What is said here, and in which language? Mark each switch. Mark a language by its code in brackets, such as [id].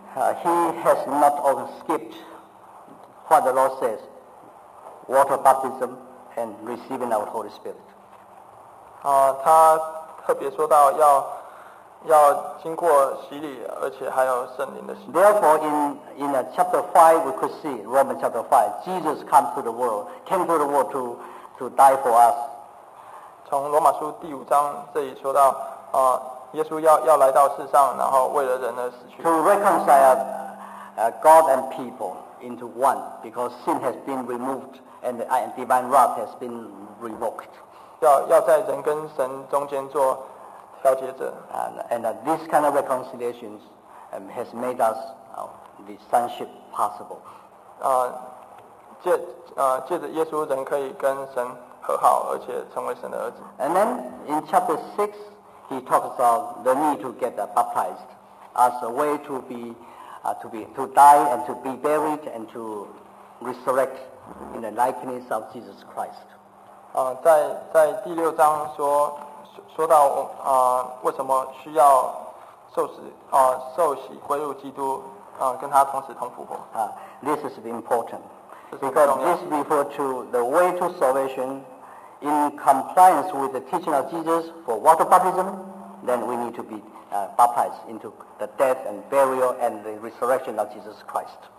[en] He has not often skipped what the Lord says, water baptism and receiving our Holy Spirit. [zh] 他特别说到要经过洗礼，而且还有圣灵的洗礼。 [en] Therefore, in chapter 5, we could see, Romans chapter 5, Jesus came to the world to die for us. [zh] 从罗马书第五章这里说到，耶稣要来到世上，然后为了人而死去。 [en] To reconcile God and people into one, because sin has been removed and the divine wrath has been revoked. [zh] 要在人跟神中间做调节者。 [en] And this kind of reconciliation has made us the sonship possible. [zh] 借着耶稣，人可以跟神和好，而且成为神的儿子。 [en] And then in chapter 6. He talks of the need to get baptized as a way to die and to be buried and to resurrect in the likeness of Jesus Christ. [zh] 在第六章说到为什么需要受洗归入基督跟他同死同复活。 [en] This is important because this refers to the way to salvation. In compliance with the teaching of Jesus for water baptism, then we need to be baptized into the death and burial and the resurrection of Jesus Christ.